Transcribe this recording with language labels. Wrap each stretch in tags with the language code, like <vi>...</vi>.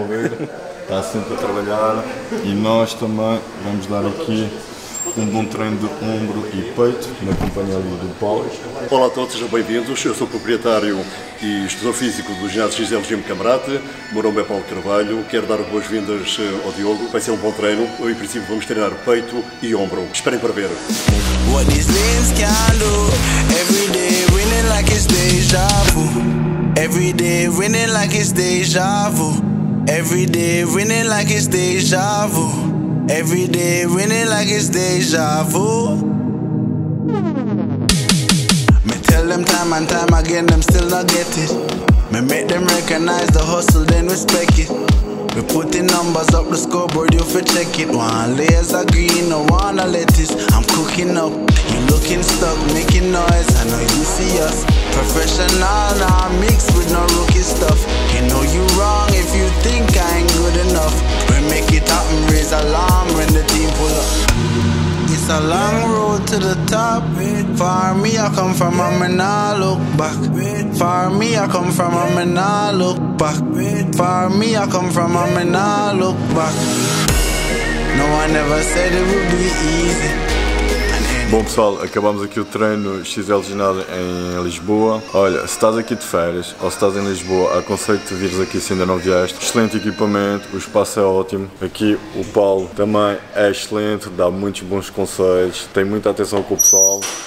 <pt>Está sempre a trabalhar. E nós também vamos dar aqui um bom treino de ombro e peito, na companhia ali do Paulo. Olá a todos, sejam bem-vindos. Eu sou o proprietário e estudo físico do ginásio XL Gym Camarate. Meu nome é Paulo Carvalho. Quero dar boas-vindas ao Diogo. Vai ser um bom treino. Eu, em princípio, vamos treinar peito e ombro. Esperem para ver.</pt> <en>What these limbs can do. Every day winning like it's deja vu. Every day winning like it's deja vu. Every day winning like it's deja vu. Every day winning like it's deja vu. Me tell them time and time again, them still not get it. Me make them recognize the hustle, then respect it. We put the numbers up the scoreboard, you fi check it. One layers of green, no one a lettuce. I'm cooking up, you looking stuck, making noise. I know you see us professional, now I mix with no rookie stuff. You know you wrong if you think I ain't good enough. We make it happen, raise alarm when the team pull up. It's a long road to the top. Far me I come from, I'm in a look back. Far me I come from, I'm in a look back. Far me I come from, I'm in a look back. No one ever said it would be easy.</en> <pt>Bom pessoal, acabamos aqui o treino XL Ginásio em Lisboa. Olha, se estás aqui de férias ou se estás em Lisboa, aconselho-te a vires aqui se ainda não vieste. Excelente equipamento, o espaço é ótimo. Aqui o Paulo também é excelente, dá muitos bons conselhos, tem muita atenção com o pessoal.</pt>